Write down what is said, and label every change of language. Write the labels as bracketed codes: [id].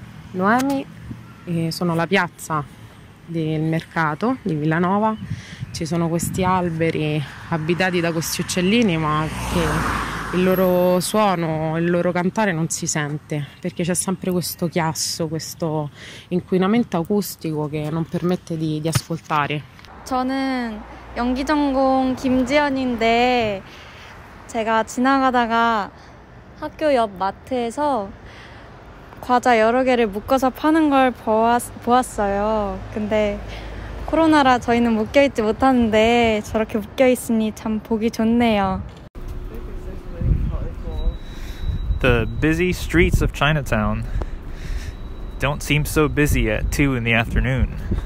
[it] Noemi, sono la piazza del mercato di Villanova. Ci sono questi alberi abitati da questi uccellini, ma che il loro suono, il loro cantare non si sente, perché c'è sempre questo chiasso, questo inquinamento acustico che non permette di ascoltare. [ko] 저는 연기 전공 김지연인데, 제가 지나가다가 학교 옆 마트에서 과자 여러 개를 묶어서 파는 걸 보았어요. 근데 코로나라 저희는 묶여있지 못하는데, 저렇게 묶여있으니 참 보기 좋네요. [en] The busy streets of Chinatown don't seem so busy at 2 in the afternoon.